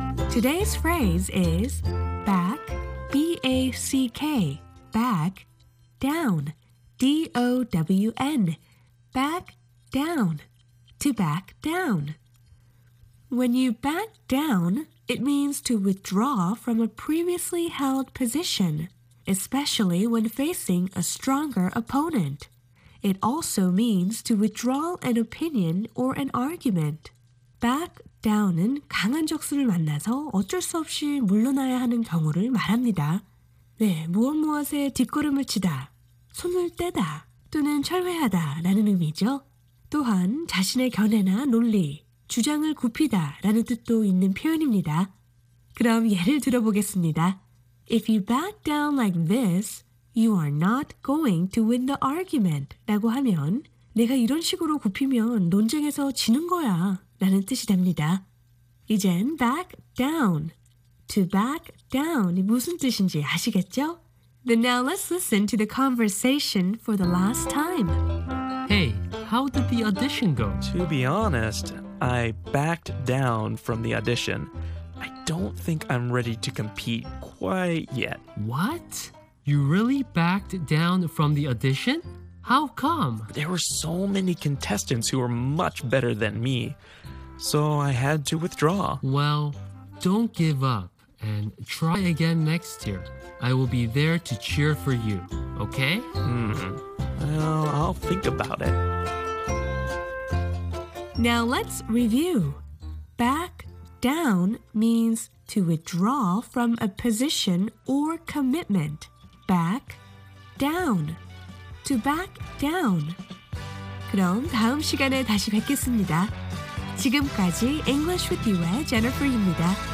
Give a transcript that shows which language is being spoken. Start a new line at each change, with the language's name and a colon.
English: Today's phrase is back, B-A-C-K, back, down, D-O-W-N, back, down, to back down. When you back down, it means to withdraw from a previously held position, especially when facing a stronger opponent. It also means to withdraw an opinion or an argument.
Korean: Back down은 강한 적수를 만나서 어쩔 수 없이 물러나야 하는 경우를 말합니다. 네, 무엇무엇에 뒷걸음을 치다, 손을 떼다 또는 철회하다 라는 의미죠. 또한 자신의 견해나 논리, 주장을 굽히다 라는 뜻도 있는 표현입니다. 그럼 예를 들어보겠습니다.
English: If you back down like this, you are not going to win the argument
Korean: 라고 하면 내가 이런 식으로 굽히면 논쟁에서 지는 거야 라는 뜻이 됩니다. 이젠 back down. To back down이 무슨 뜻인지 아시겠죠?
English: Then now let's listen to the conversation for the last time. Hey, how did the audition go? To be honest, I backed down from the audition. I don't think I'm ready to compete quite yet. What? You really backed down from the audition? How come? There were so many contestants who were much better than me, so I had to withdraw. Well, don't give up and try again next year. I will be there to cheer for you, okay? Well, I'll think about it. Now let's review. Back down means to withdraw from a position or commitment. Back down. To back down.
Korean: 그럼 다음 시간에 다시 뵙겠습니다. 지금까지 English with You의 Jennifer입니다.